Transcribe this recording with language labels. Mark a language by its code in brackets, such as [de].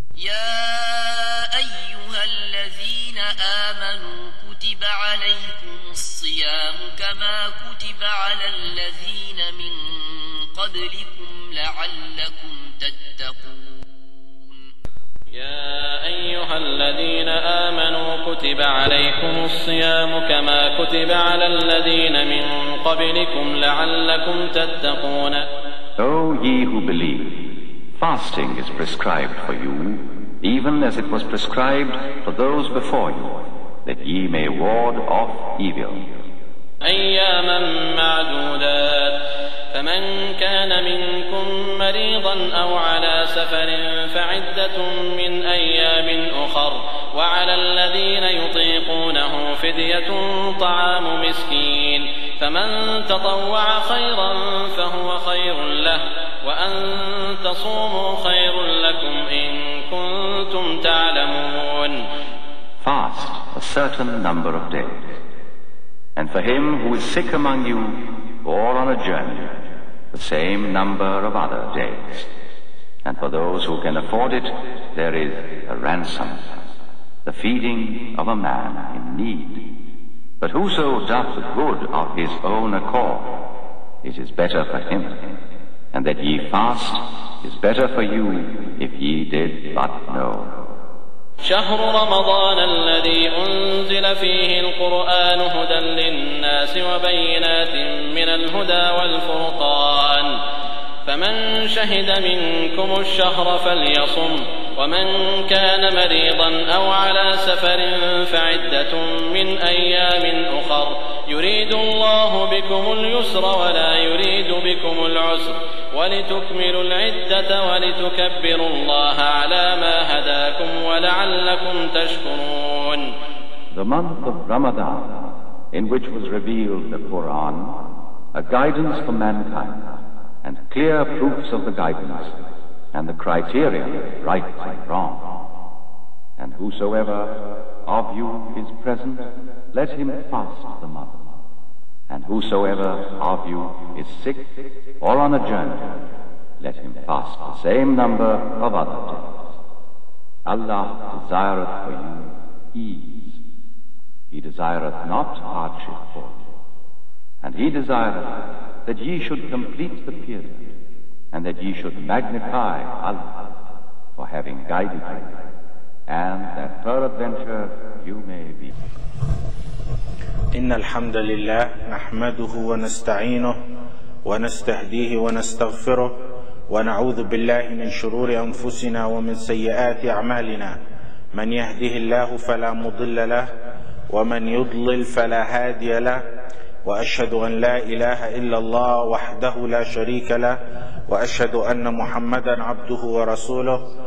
[ar] يا أيها الذين آمنوا كتب عليكم الصيام كما كتب على الذين من قبلكم لعلكم تتقون. يا أيها الذين آمنوا كتب عليكم الصيام كما كتب على الذين من قبلكم لعلكم تتقون. [en] O ye who believe, fasting is prescribed for you, even as it was prescribed for those before you, that ye may ward off evil. [ar] أياما معدودات فمن كان منكم مريضا أو على سفر فعدة من أيام أخر وعلى الذين يطيقونه فدية طعام مسكين فمن تطوع خيرا فهو خير له وأن تصوموا خير لكم إن كنتم تعلمون. [en] Fast a certain number of days. And for him who is sick among you, or on a journey, the same number of other days. And for those who can afford it, there is a ransom, the feeding of a man in need. But whoso doth good of his own accord, it is better for him. And that ye fast is better for you if ye did but know. [ar] شهر رمضان الذي أنزل فيه القرآن هدى للناس وبينات من الهدى والفرقان فمن شهد منكم الشهر فليصم ومن كان مريضا أو على سفر فعدة من أيام أخر يريد الله بكم اليسر ولا يريد بكم العسر ولتكملوا العدة ولتكبروا الله على ما هداكم ولعلكم تشكرون. [en] The month of Ramadan, in which was revealed the Quran, a guidance for mankind, and clear proofs of the guidance, and the criteria of right and wrong. And whosoever of you is present, let him fast the month. And whosoever of you is sick or on a journey, let him fast the same number of other days. Allah desireth for you ease. He desireth not hardship for you. And He desireth that ye should complete the period, and that ye should magnify Allah for having guided you, and that peradventure you may be. [ar] إن الحمد لله نحمده ونستعينه ونستهديه ونستغفره ونعوذ بالله من شرور أنفسنا ومن سيئات أعمالنا من يهده الله فلا مضل له ومن يضلل فلا هادي له وأشهد أن لا إله إلا الله وحده لا شريك له وأشهد أن محمدا عبده ورسوله